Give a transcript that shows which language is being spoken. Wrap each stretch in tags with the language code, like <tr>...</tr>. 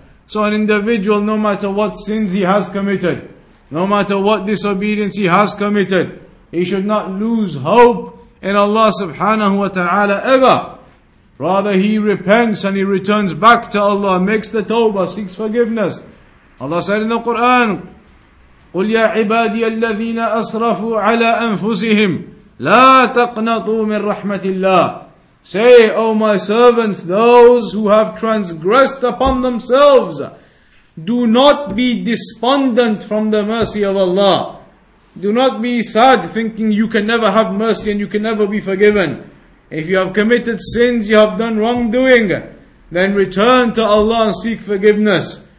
<en>So an individual, no matter what sins he has committed, no matter what disobedience he has committed, he should not lose hope in Allah subhanahu wa ta'ala ever. Rather, he repents and he returns back to Allah, makes the tawbah, seeks forgiveness. Allah said in the Quran,</en> <ar>قُلْ يَا عِبَادِيَ الَّذِينَ أَسْرَفُوا عَلَىٰ أَنفُسِهِمْ لَا تَقْنَطُوا مِنْ رَحْمَةِ اللَّهِ.</ar> <en>Say, O my servants, those who have transgressed upon themselves, do not be despondent from the mercy of Allah. Do not be sad thinking you can never have mercy and you can never be forgiven. If you have committed sins, you have done wrongdoing, then return to Allah and seek forgiveness.</en>